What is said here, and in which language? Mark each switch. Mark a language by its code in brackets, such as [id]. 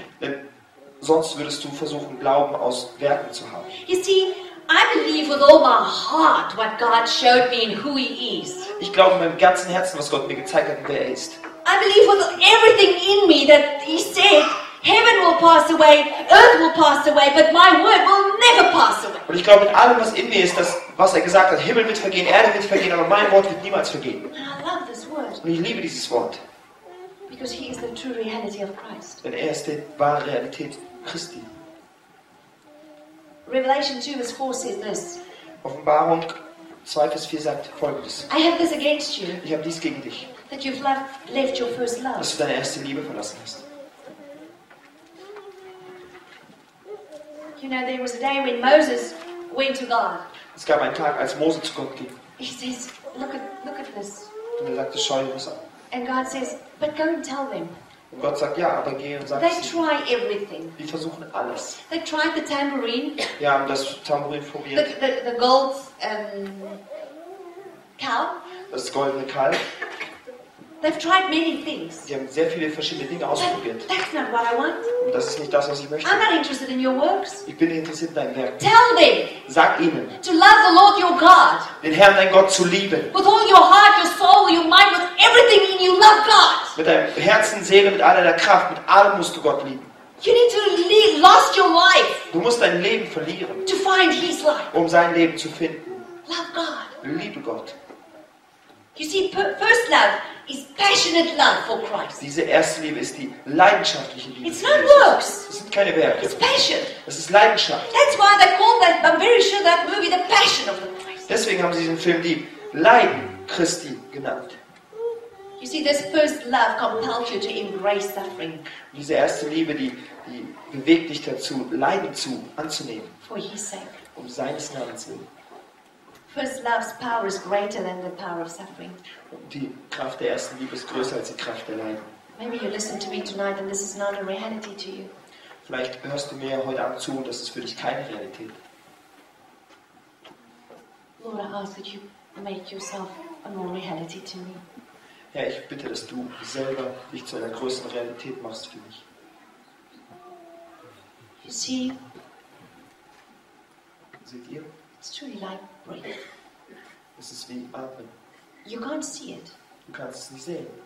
[de] Denn sonst würdest du versuchen, Glauben aus Werken zu haben. [en] You see, I believe with all my heart what God showed me and who He is. [de] Ich glaube mit meinem ganzen Herzen, was Gott mir gezeigt hat, wer er ist. [en] I believe with everything in me that He said, heaven will pass away, earth will pass away, but my word will never pass away. [de] Und ich glaube mit allem, was in mir ist, das, was er gesagt hat, Himmel wird vergehen, Erde wird vergehen, aber mein Wort wird niemals vergehen. [en] I love this word. [de] Und ich liebe dieses Wort. [en] Because He is the true reality of Christ. [de] Denn er ist die wahre Realität Christi. [en] Revelation 2, verse 4 says this. [de] Offenbarung 2, Vers 4 sagt folgendes. [en] I have this against you. [de] Ich habe dies gegen dich. [en] That you've left your first love. [de] Dass du deine erste Liebe verlassen hast. [en] You know, there was a day when Moses went to God. [de] Es gab einen Tag, als Mose zu Gott ging. [en] He says, look at this. [de] Und er sagte, schau dir das an. [en] And God says, but go and tell them. [de] Und Gott sagt, ja, aber geh und sag [en] they sie. Try everything. [de] Die versuchen alles. [en] They tried the tambourine. [de] Ja, und das Tambourin probiert. [en] The gold cow. [de] Das goldene Kalb. [en] They've tried many things. [de] Sie haben sehr viele verschiedene Dinge ausprobiert. [en] That's not what I want. [de] Und das ist nicht das, was ich möchte. [en] I'm not interested in your works. [de] Ich bin nicht interessiert in deinen Werken. [en] Tell them. [de] Sag ihnen. [en] To love the Lord your God. [de] Den Herrn dein Gott zu lieben. [en] With all your heart, your soul, your mind, with everything in you, love God. [de] Mit deinem Herzen, Seele, mit aller der Kraft, mit allem musst du Gott lieben. [en] You need to lost your life. [de] Du musst dein Leben verlieren. [en] To find his life. [de] Um sein Leben zu finden. [en] Love God. [de] Liebe Gott. [en] You see, first love is passionate love for Christ. [de] Diese erste Liebe ist die leidenschaftliche Liebe. [en] It's not works. [de] Es sind keine Werke. [en] It's passion. [de] Es ist Leidenschaft. [en] That's why they call that. I'm very sure that movie, The Passion of the Christ. [de] Deswegen haben sie diesen Film die Leiden Christi genannt. [en] You see, this first love compels you to embrace suffering. [de] Diese erste Liebe, die bewegt dich dazu, Leiden zu anzunehmen. [en] For his sake. [de] Um seines Namens willen. [en] First love's power is greater than the power of suffering. [de] Die Kraft der ersten Liebe ist größer als die Kraft der Leiden. [en] Maybe you listen to me tonight and this is not a reality to you. [de] Vielleicht hörst du mir heute Abend zu und das ist für dich keine Realität. [en] Lord, I ask that you make yourself a more reality to me. [de] Herr, ich bitte, dass du selber dich zu einer größeren Realität machst für mich. [en] You see, [de] seht ihr? [en] It's truly like breathing. [de] Es ist wie atmen. [en] You can't see it. [de] Du kannst es nicht sehen.